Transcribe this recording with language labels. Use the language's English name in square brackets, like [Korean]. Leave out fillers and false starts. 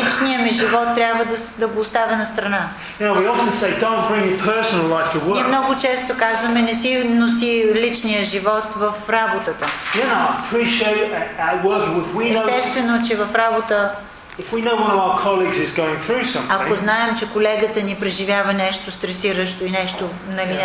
[Bulgarian] И личния ми живот трябва да го оставя на страна. [English] You know, we often say, don't bring your personal life to work. [Bulgarian] И много често казваме, не си носи личния живот в работата. [English] You know, I appreciate at work with we know. [Bulgarian] Естествено, че в работа [English] If we know one of our colleagues is going through something, [Bulgarian] ако знаем, че колегата ни преживява нещо стресиращо и нещо, нали, yeah.